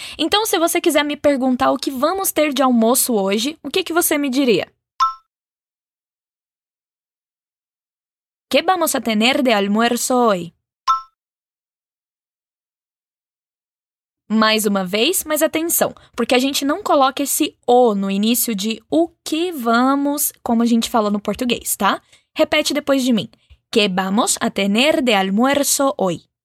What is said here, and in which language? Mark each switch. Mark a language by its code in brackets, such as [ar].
[pt] Então, se você quiser me perguntar o que vamos ter de almoço hoje, o que você me diria? [es] ¿Qué vamos a tener de almuerzo hoy? [pt] Mais uma vez, mas atenção, porque a gente não coloca esse O no início de o que vamos, como a gente fala no português, tá? Repete depois de mim. [es] ¿Qué vamos a tener de almuerzo hoy?